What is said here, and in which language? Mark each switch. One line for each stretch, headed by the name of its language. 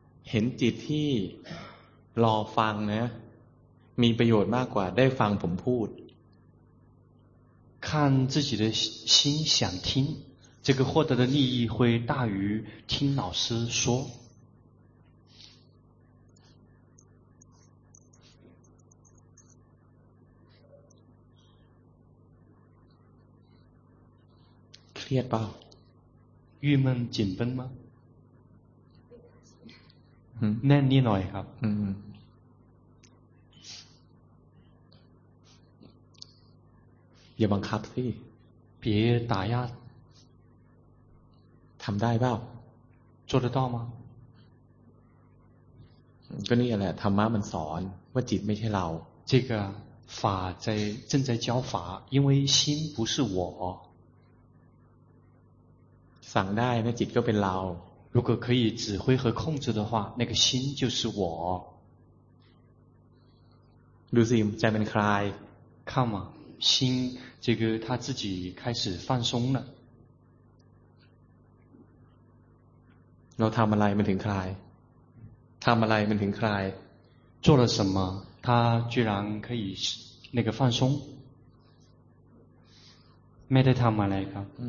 Thai: เห็นจิตที่รอฟังนะมีประโยชน์มากกว่าได้ฟังผมพูด
Chinese: 看自己的心想听这个获得的利益会大于听老师说
Thai: เครียดป่าว
Chinese: 郁闷紧绷吗嗯
Thai: แน่นนิดหน่อยครับ อืมอย่าบังคับสิ
Chinese: 别打压
Thai: ทำได้ป่าว
Chinese: 做得到吗
Thai: ก็นี่แหละธรรมะมันสอนว่าจิตไม่ใช่เรา
Chinese: 这个法在正在教法因为心不是我
Thai: สั่งได้นะจิตก็เป็นเรา
Chinese: 如果可以指挥和控制的话那个心就是我
Thai: ดูสิใจมันคลาย
Chinese: 看嘛心这个他自己开始放松了
Thai: เราทำอะไรมันถึงคลายทำอะไรมันถึงคลาย
Chinese: 做了什么他居然可以那个放松
Thai: ไม่ได้ทำอะไรครับ